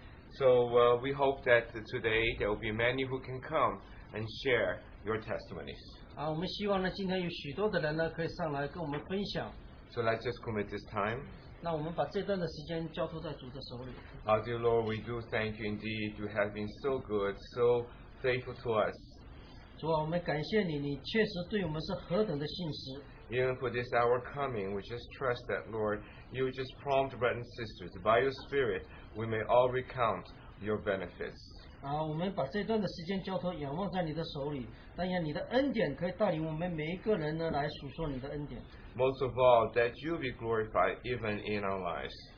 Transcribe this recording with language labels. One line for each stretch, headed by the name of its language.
English: So we hope that today there will be many who can come and share your testimonies.
Chinese: 我们希望呢，今天有许多的人呢，可以上来跟我们分享。
English: So let's just commit this time.
Chinese: 那我们把这段的时间交托在主的手里。
English: Our dear Lord, we do thank you indeed. You have been so good, so faithful to us.
Chinese: 主啊，我们感谢你，你确实对我们是何等的信实。
English: Even for this hour coming, we just trust that, Lord, you just prompt brothers and sisters, by your Spirit, we may all recount your benefits.
Chinese: 我们把这段的时间交托仰望在你的手里，但愿你的恩典可以带领我们每一个人呢，来数说你的恩典。
English: Most of all, that you be glorified even in our lives.